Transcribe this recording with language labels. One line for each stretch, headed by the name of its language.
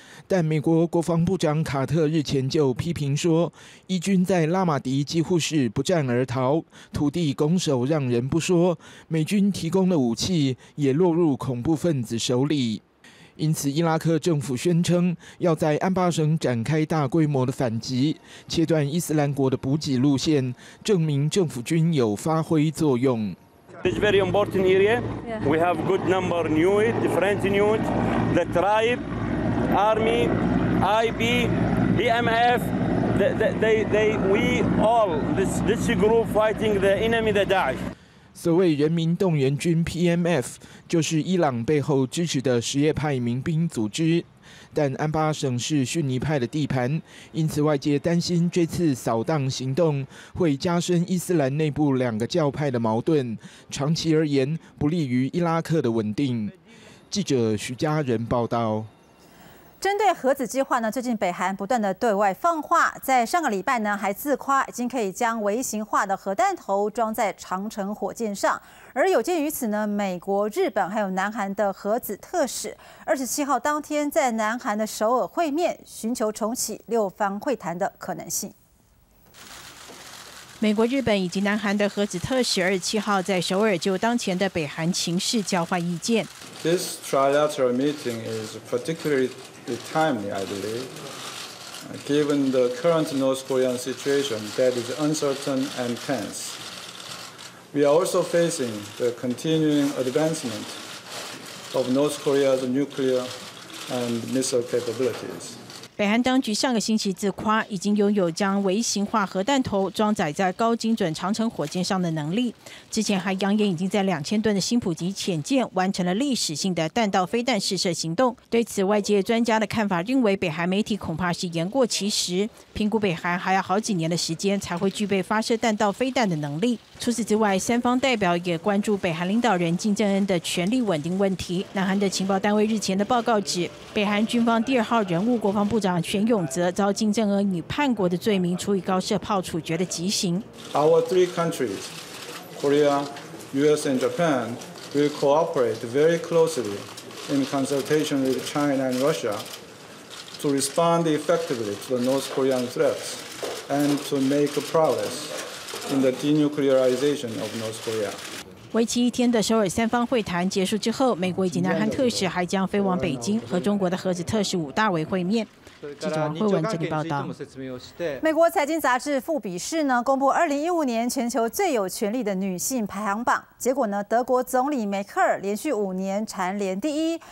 Chinese: 但美国国防部长卡特日前就批评说，伊军在拉马迪几乎是不战而逃，土地拱手让人不说，美军提供的武器也落入恐怖分子手里。因此，伊拉克政府宣称要在安巴省展开大规模的反击，切断伊斯兰国的补给路线，证明政府军有发挥作用。
English: This is a very important area. We have good number new it, different new it. The tribe, army, IB, BMF, they, we all this group fighting the enemy, the Daesh.
Chinese: 所谓人民动员军 PMF 就是伊朗背后支持的什叶派民兵组织，但安巴省是逊尼派的地盘，因此外界担心这次扫荡行动会加深伊斯兰内部两个教派的矛盾，长期而言不利于伊拉克的稳定。记者徐家人报道。针对核子计划呢，最近北韩不断的对外放话，在上个礼拜呢还自夸已经可以将微型化的核弹头装在长城火箭上。而有鉴于此呢，美国、日本还有南韩的核子特使27号当天在南韩的首尔会面，寻求重启六方会谈的可能性。美国、日本以及南韩的核子特使27号在首尔就当前的北韩情势交换意见。
English: This trilateral meeting is particularly timely, I believe, given the current North Korean situation that is uncertain and tense. We are also facing the continuing advancement of North Korea's nuclear and missile capabilities.
Chinese: 北韩当局上个星期自夸已经拥有将微型化核弹头装载在高精准长城火箭上的能力，之前还扬言已经在2000吨的新普级潜舰完成了历史性的弹道飞弹试射行动。对此，外界专家的看法认为，北韩媒体恐怕是言过其实，评估北韩还要好几年的时间才会具备发射弹道飞弹的能力。除此之外，三方代表也关注北韩领导人金正恩的权力稳定问题。南韩的情报单位日前的报告指，北韩军方第二号人物国防部长全永泽遭金正恩以叛国的罪名处以高射炮处决的极刑。
English: Our three countries, Korea, U.S. and Japan, will cooperate very closely in consultation with China and Russia to respond effectively to the North Korean threats and to make progress in the denuclearization of North Korea.
Chinese: 为期一天的首尔三方会谈结束之后，美国以及南韩特使还将飞往北京和中国的核子特使武大伟会面。记者王慧文这里报道。美国财经杂志《富比士》呢公布2015年全球最有权力的女性排行榜，结果呢，德国总理梅克尔连续5年蝉联第一。